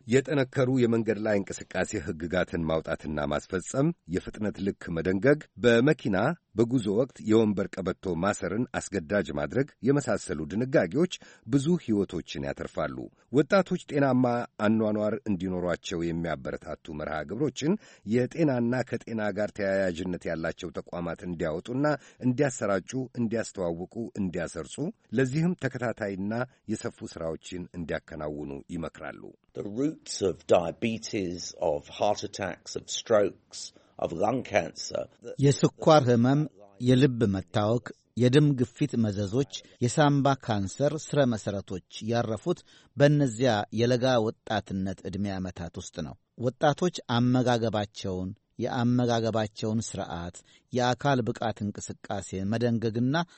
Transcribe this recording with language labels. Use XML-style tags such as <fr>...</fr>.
<am>የጠነከሩ የመንገድ ላይ እንቅስቃሴ ሕግጋትን ማውጣትና ማስፈጸም፣ የፍጥነት ልክ መደንገግ፣ በመኪና በጉዞ ወቅት የወንበር ቀበቶ ማሰርን አስገዳጅ ማድረግ የመሳሰሉ ድንጋጌዎች ብዙ ሕይወቶችን ያተርፋሉ። ወጣቶች ጤናማ አኗኗር እንዲኖሯቸው የሚያበረታቱ መርሃ ግብሮችን የጤናና ከጤና ጋር ተያያዥነት ያላቸው ተቋማት እንዲያወጡና እንዲያሰራጩ፣ እንዲያስተዋውቁ፣ እንዲያሰርጹ፣ ለዚህም ተከታታይና የሰፉ ሥራዎችን እንዲያከናውኑ ይመክራሉ።</am> <en>The roots of diabetes, of heart attacks, of strokes, of lung cancer.</en> <am>የስኳር ህመም፣ የልብ መታወክ፣ የደም ግፊት መዘዞች፣ የሳምባ ካንሰር ስረ መሰረቶች ያረፉት በእነዚያ የለጋ ወጣትነት ዕድሜ ዓመታት ውስጥ ነው። ወጣቶች አመጋገባቸውን፣ የአመጋገባቸውን ስርዓት፣ የአካል ብቃት እንቅስቃሴ መደንገግና</am>